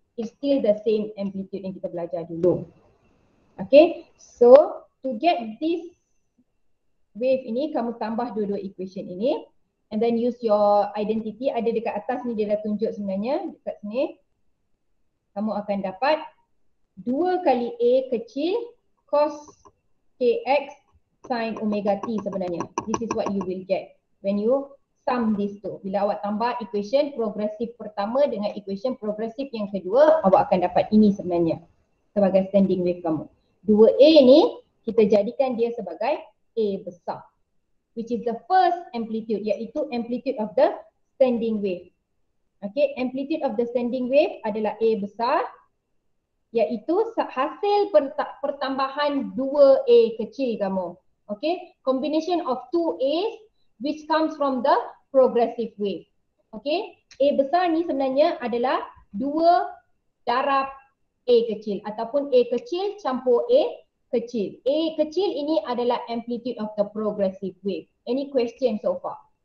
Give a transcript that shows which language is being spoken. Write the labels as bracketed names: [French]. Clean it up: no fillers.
[English] It's still the same amplitude [Malay] yang kita belajar dulu. [English] Okay, so to get this wave ini, [Malay] kamu tambah dua-dua equation ini [English] and then use your identity. [Malay] Ada dekat atas ni, dia dah tunjuk sebenarnya dekat sini. Kamu akan dapat 2 kali A kecil cos kx sin omega t sebenarnya. [English] This is what you will get when you sum these two. [Malay] Bila awak tambah equation progressive pertama dengan equation progressive yang kedua, awak akan dapat ini sebenarnya sebagai standing wave kamu. 2 A ni kita jadikan dia sebagai A besar, [English] which is the first amplitude, [Malay] iaitu [English] amplitude of the standing wave. [Malay] Okay, [English] amplitude of the standing wave [Malay] adalah A besar, iaitu hasil pertambahan 2 A kecil kamu. [English] Okay, combination of 2 A which comes from the progressive wave. [Malay] Okay, A besar ni sebenarnya adalah 2 darab A kecil ataupun A kecil campur A kecil. A kecil ini adalah [English] amplitude of the progressive wave. Any question so far?